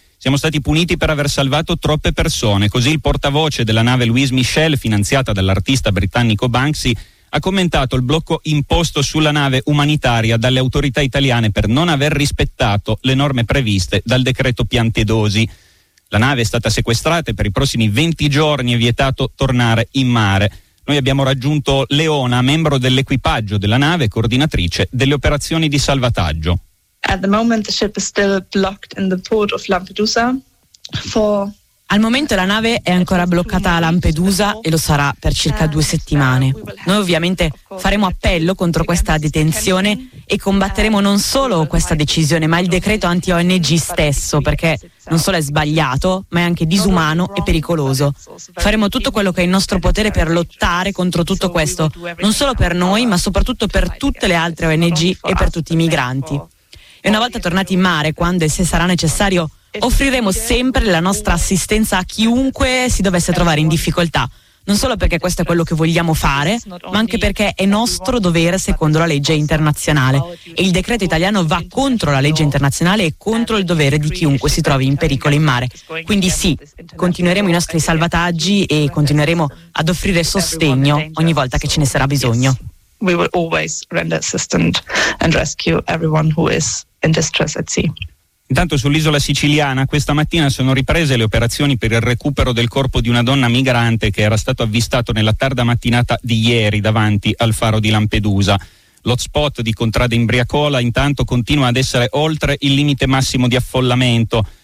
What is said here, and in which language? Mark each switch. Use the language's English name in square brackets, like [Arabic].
[Italian] Siamo stati puniti per aver salvato troppe persone, così il portavoce della nave Louise Michel, finanziata dall'artista britannico Banksy, ha commentato il blocco imposto sulla nave umanitaria dalle autorità italiane per non aver rispettato le norme previste dal decreto Piantedosi. La nave è stata sequestrata e per i prossimi 20 giorni è vietato tornare in mare. Noi abbiamo raggiunto Leona, membro dell'equipaggio della nave, coordinatrice delle operazioni di salvataggio. [English] At the moment the ship is still blocked in the port of Lampedusa for... [Italian] Al momento la nave è ancora bloccata a Lampedusa e lo sarà per circa 2 settimane. Noi ovviamente faremo appello contro questa detenzione e combatteremo non solo questa decisione, ma il decreto anti-ONG stesso, perché non solo è sbagliato, ma è anche disumano e pericoloso. Faremo tutto quello che è in nostro potere per lottare contro tutto questo, non solo per noi, ma soprattutto per tutte le altre ONG e per tutti i migranti. E una volta tornati in mare, quando e se sarà necessario, offriremo sempre la nostra assistenza a chiunque si dovesse trovare in difficoltà, non solo perché questo è quello che vogliamo fare, ma anche perché è nostro dovere secondo la legge internazionale. E il decreto italiano va contro la legge internazionale e contro il dovere di chiunque si trovi in pericolo in mare. Quindi sì, continueremo i nostri salvataggi e continueremo ad offrire sostegno ogni volta che ce ne sarà bisogno. [English] We will always render assistance and rescue everyone who is in distress at sea. [Italian] Intanto sull'isola siciliana questa mattina sono riprese le operazioni per il recupero del corpo di una donna migrante che era stato avvistato nella tarda mattinata di ieri davanti al faro di Lampedusa. L'hotspot di Contrada Imbriacola intanto continua ad essere oltre il limite massimo di affollamento.